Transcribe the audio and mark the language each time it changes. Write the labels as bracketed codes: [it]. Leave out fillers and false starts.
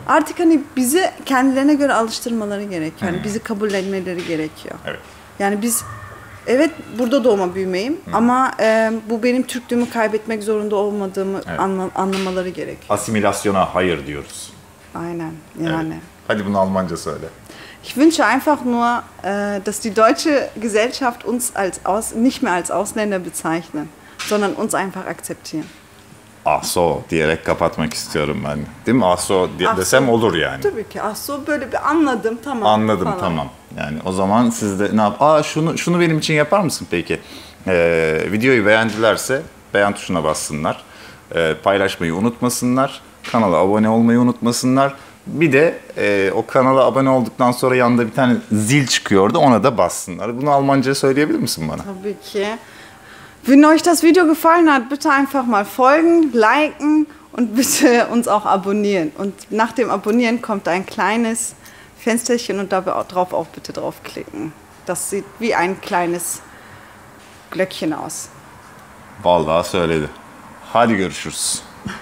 [tr] Artık hani bizi kendilerine göre alıştırmaları gerekiyor. Yani bizi kabullenmeleri gerekiyor. Evet. Yani biz evet burada doğma büyümeyim ama bu benim Türklüğümü kaybetmek zorunda olmadığımı anlamaları gerekiyor. Asimilasyona hayır diyoruz. Aynen. Yani. Evet. Hadi bunu Almanca söyle. [de] Ich wünsche einfach nur, dass die deutsche Gesellschaft uns nicht mehr als Ausländer bezeichnen, sondern uns einfach akzeptieren. [tr] Ach so, diyerek kapatmak istiyorum ben. Değil mi? Ach so desem olur yani. Tabii ki. Ach so böyle bir anladım, tamam. Anladım, falan. Tamam. Yani o zaman siz de ne yap? Aa şunu benim için yapar mısın peki? Videoyu beğendilerse beğen tuşuna bassınlar. Paylaşmayı unutmasınlar. Kanala abone olmayı unutmasınlar. Bir de o kanala abone olduktan sonra yanında bir tane zil çıkıyordu, ona da bassınlar. Bunu Almanca söyleyebilir misin bana? Tabii ki. [de] Wenn euch das Video gefallen hat, bitte einfach mal folgen, liken und bitte uns auch abonnieren. Und nach dem Abonnieren kommt ein kleines Fensterchen und da drauf auch bitte draufklicken. Das sieht wie ein kleines Glöckchen aus. [tr] Vallahi söyledi. Hadi görüşürüz.